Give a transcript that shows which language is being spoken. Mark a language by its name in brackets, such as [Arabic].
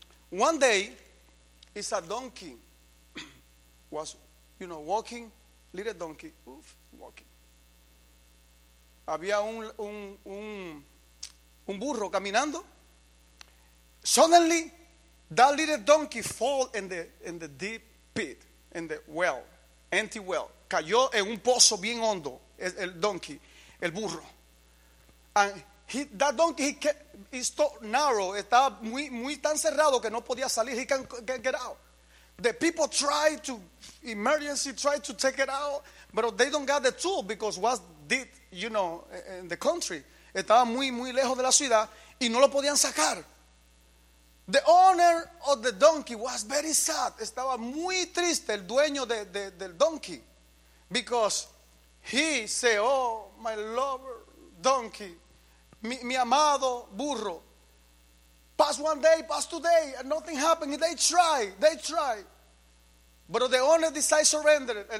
[English] One day, it's a donkey was, you know, walking, little donkey, oof, walking. [Spanish] Había un burro caminando. [English] Suddenly, that little donkey fall in the deep pit, in the well, empty well. [Spanish] Cayó en un pozo bien hondo, el donkey, el burro. [English] And that donkey, he's so narrow. [Spanish] Está muy, muy tan cerrado que no podía salir. [English] He can't get out. The people try to, emergency, try to take it out. But they don't got the tool because what did, you know, in the country. [Spanish] Estaba muy, muy lejos de la ciudad y no lo podían sacar. [English] The owner of the donkey was very sad. [Spanish] Estaba muy triste el dueño del donkey. [English] Because he said, oh, my lover. [Spanish] Donkey, mi amado burro. [English] Pass one day, pass today, and nothing happened. They try. But the owner decided surrender.